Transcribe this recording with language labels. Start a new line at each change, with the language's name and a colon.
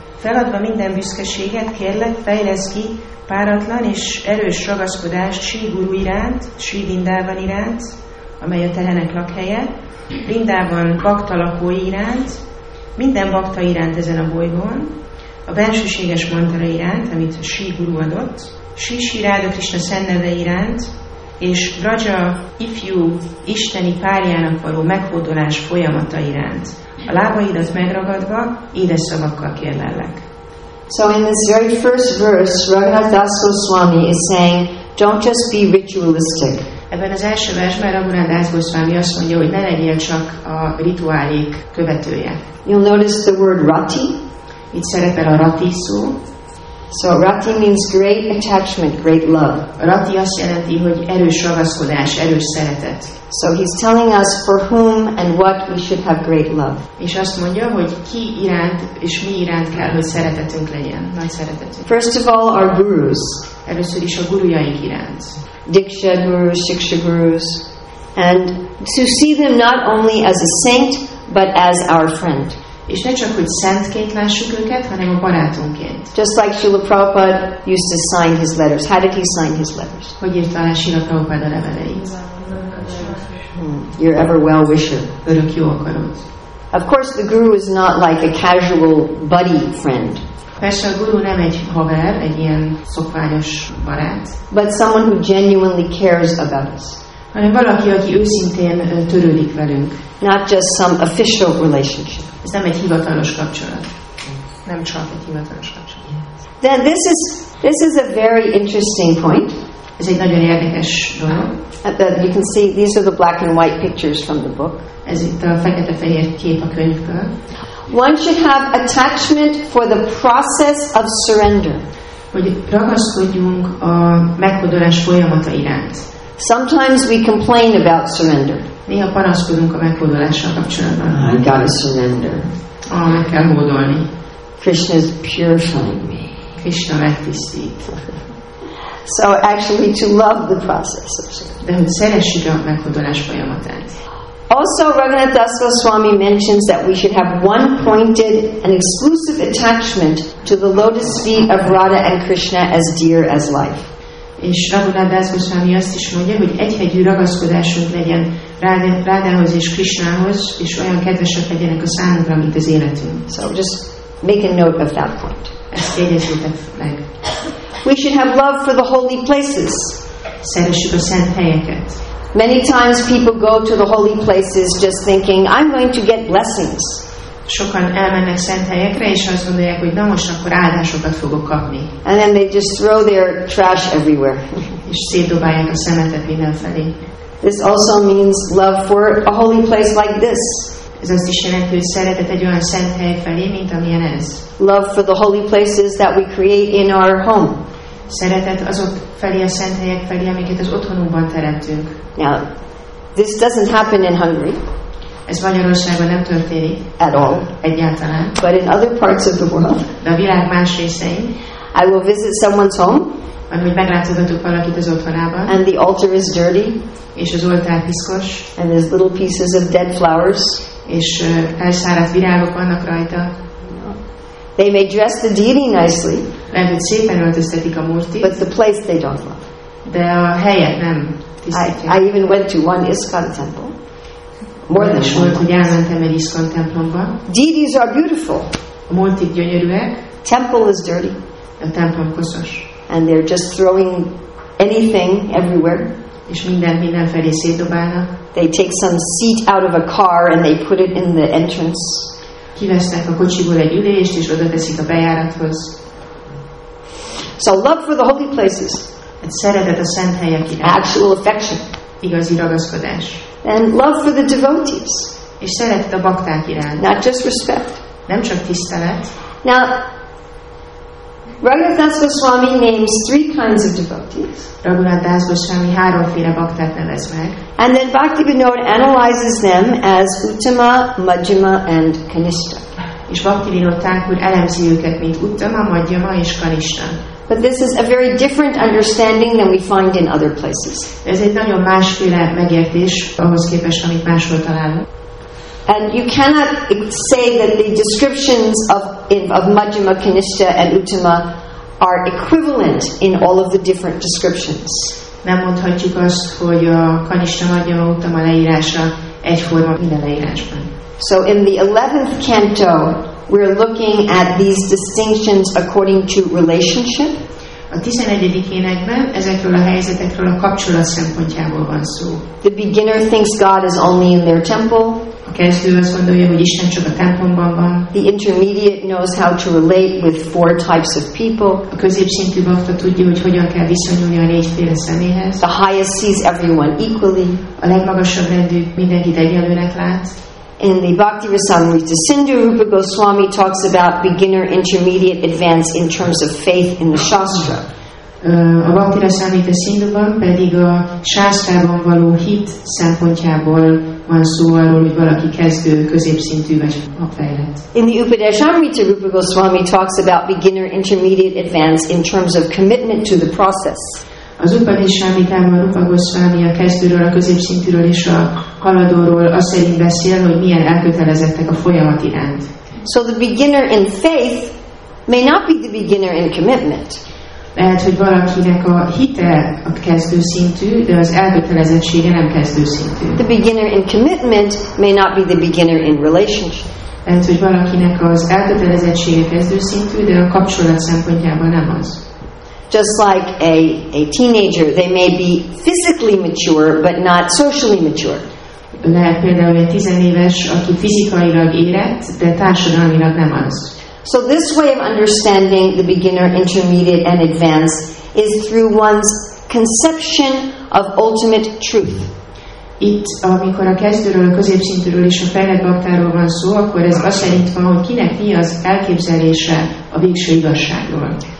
Hungarian: Feladva minden büszkeséget, kérlek, fejlesz ki páratlan és erős ragaszkodást Sri Guru iránt, Sri Vrindavan iránt, amely a telenek lakhelye, Vrindavan bakta lakói iránt, minden bakta iránt ezen a bolygón, a bensőséges mantra iránt, amit Sri Guru adott, Sri Sri Radha Krishna szenneve iránt, és Raja ifjú isteni párjának való meghódolás folyamata iránt. A lábaidat megragadva, édes szavakkal kérlek.
English: So in this very first verse, Raghunath Das Goswami is saying, don't just be ritualistic.
Hungarian: Ebben az első versben Raghunath Das Goswami azt mondja, hogy ne legyél csak a rituálék követője.
English: You'll notice the word rati.
Hungarian: Itt szerepel a rati szó.
English: So rati means great attachment, great love.
Hungarian: Rati azt jelenti, hogy erős ragaszkodás, erős szeretet.
English: So he's telling us for whom and what we should have great love.
Hungarian: És azt mondja, hogy ki iránt és mi iránt kell, hogy szeretetünk legyen, nagy szeretetünk.
English: First of all, our gurus.
Hungarian: Először is a gurujaink iránt.
English: Diksha gurus, siksha gurus. And to see them not only as a saint, but as our friend.
Hungarian: És ne csak, hogy szentként lássuk őket, hanem a barátunkként.
English: Just like Srila Prabhupada used to sign his letters. How did he sign his letters?
Hungarian: Hogy írta alá Srila Prabhupada leveleit?
English: Your ever well-wisher.
Hungarian: Örök jó akarod.
English: Of course, the guru is not like a casual buddy friend.
Hungarian: Persze a guru nem egy haver, egy ilyen szokványos barát.
English: But someone who genuinely cares about us.
Hungarian: Hanem valaki, aki őszintén törődik velünk.
English: Not just some official relationship.
Hungarian: Ez nem egy hivatalos kapcsolat. Nem csak egy hivatalos kapcsolat.
English: Then this is a very interesting point.
Hungarian: Ez egy nagyon érdekes dolog.
English: That you can see these are the black and white pictures from the book.
Hungarian: Ez itt a fekete-fehér kép a könyvből.
English: One should have attachment for the process of surrender.
Hungarian: Hogy ragaszkodjunk a meghódolás folyamata iránt.
English: Sometimes we complain about surrender.
Hungarian: Néha panaszkodunk a meghódolással kapcsolatban.
English: I gotta surrender.
Hungarian: Ah, meg kell hódolni.
English: Krishna is purifying me.
Hungarian: Krishna megtisztít.
English: So actually to love the process.
Hungarian: De hogy szeressük a meghódolás folyamatát.
English: Also, Raghunath Das Goswami mentions that we should have one pointed and exclusive attachment to the lotus feet of Radha and Krishna as dear as life.
Hungarian: És Raghunath Das Goswami azt is mondja, hogy egyhegyű ragaszkodásunk legyen Rádához és Krishnához, és olyan kedvesek legyenek a számunkra, mint az életünk.
English: So just make a note of that point.
Hungarian: Ezt jegyezzétek meg.
English: We should have love for the holy places.
Hungarian: Szeressük a szent helyeket.
English: Many times people go to the holy places just thinking, I'm going to get blessings.
Hungarian: Sokan elmennek szent helyekre, és azt gondolják, hogy na most akkor áldásokat fogok kapni.
English: And then they just throw their trash everywhere.
Hungarian: És szétdobálják a szemetet mindenfelé.
English: This also means love for a holy place like this.
Hungarian: Ez azt is jelenti, hogy szeretet egy olyan szent hely felé, mint amilyen ez.
English: Love for the holy places that we create in our home.
Hungarian: Szeretet azok felé, a szent helyek felé, amiket az otthonunkban teremtünk.
English: Now, this doesn't happen in Hungary.
Hungarian: Ez Magyarországon nem történik.
English: At all.
Hungarian: Egyáltalán.
English: But in other parts of the world.
Hungarian: De a világ más részein.
English: I will visit someone's home.
Hungarian: Amíg meglátogatok valakit az otthonában.
English: And the altar is dirty.
Hungarian: És az oltár piszkos.
English: And there's little pieces of dead flowers.
Hungarian: És elszáradt virágok vannak rajta.
English: They may dress the deity nicely.
Hungarian: Lehet, hogy szépen öltöztetik a murtit.
English: But the place they don't love.
Hungarian: De a helyet nem.
English: I even went to one ISKCON temple. More than one.
Hungarian: Hogy elmentem egy ISKCON templomba.
English: Deities are beautiful.
Hungarian: A murtik gyönyörűek.
English: Temple is dirty.
Hungarian: A templom koszos.
English: And they're just throwing anything everywhere.
Hungarian: És minden mindenfelé szétdobálnak.
English: They take some seat out of a car and they put it in the entrance.
Hungarian: Kivesznek a kocsiból egy ülést és oda teszik a bejárathoz.
English: So love for the holy places.
Hungarian: Egy szeretet a szent helyek iránt.
English: Actual affection.
Hungarian: Igazi ragaszkodás.
English: And love for the devotees.
Hungarian: És szeretet a bakták iránt.
English: Not just respect.
Hungarian: Nem csak tisztelet.
English: Now, Raghunath Das Goswami names three kinds of devotees.
Hungarian: Raghunath Das Goswami háromféle baktát nevez meg.
English: And then Bhaktivinoda analyzes them as Uttama, Majjhima and Kanishta.
Hungarian: És Bhaktivinoda Thakur elemzi őket, mint Uttama, Majjhima és Kanishta.
English: But this is a very different understanding than we find in other places.
Hungarian: Ez egy nagyon másféle megértés ahhoz képest, amit máshol találunk.
English: And you cannot say that the descriptions of Majjhima, Kanishta and Uttama are equivalent in all of the different descriptions.
Hungarian: Nem mondhatjuk azt, hogy a Kanishta, Majjhima, Uttama leírása egyforma minden leírásban.
English: So in the 11th canto, we're looking at these distinctions according to relationship.
Hungarian: A 11. énekben ezekről a helyzetekről a kapcsolat szempontjából van szó.
English: The beginner thinks God is only in their temple.
Hungarian: A kezdő azt gondolja, hogy Isten csak a templomban van.
English: The intermediate knows how to relate with four types of people.
Hungarian: A középszintű bhakta tudja, hogy hogyan kell viszonyulni a négyféle személyhez.
English: The highest sees everyone equally.
Hungarian: A legmagasabb rendű mindenkit egyenlőnek lát.
English: In the Bhakti Rasamrita Sindhu, Rupa Goswami talks about beginner, intermediate, advanced in terms of faith in the Shastra.
Hungarian: A Bhakti Rasamrita Sindhuban pedig a Shastrában való hit szempontjából van szó arról, hogy valaki kezdő, középszintű vagy a fejlett.
English: In the Upadeshamrita, Rupa Goswami talks about beginner, intermediate, advanced in terms of commitment to the process.
Hungarian: Az Upadeshamritában Rupa Goswami a kezdőről, a középszintűről és a haladóról azt szerint beszél, hogy milyen elkötelezettek a folyamat iránt.
English: So the beginner in faith may not be the beginner in commitment.
Hungarian: Lehet, hogy valakinek a hite a kezdőszintű, de az elkötelezettsége nem kezdőszintű.
English: The beginner in commitment may not be the beginner in relationship.
Hungarian: Lehet, hogy valakinek az elkötelezettsége kezdőszintű, de a kapcsolat szempontjában nem az.
English: Just like a teenager, they may be physically mature, but not socially mature.
Hungarian: Lehet például egy tizenéves, aki fizikailag érett, de társadalmilag nem az.
English: So this way of understanding the beginner, intermediate, and advanced is through one's conception of ultimate truth.
Hungarian: Itt, amikor a kezdőről, a középszintűről és a fejlett baktáról van szó, akkor ez azt szerint van, hogy kinek mi az elképzelése a végső igazságról.